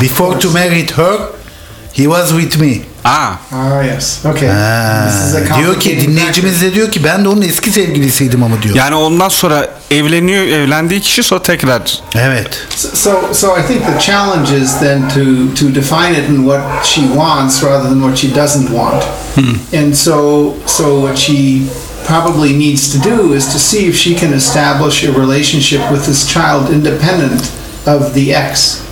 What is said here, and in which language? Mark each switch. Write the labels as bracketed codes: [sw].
[en] Before to marry her, he was with me. Yes. Okay. [tr] Diyor ki dinleyicimiz de diyor ki ben de onun eski sevgilisiydim ama diyor. Yani ondan sonra evlendiği kişi sonra tekrar. Evet. [en] So I think the challenge is then to define it in what she wants rather than what she doesn't want. And so what she probably needs to do is to see if she can establish a relationship with this child independent of the ex.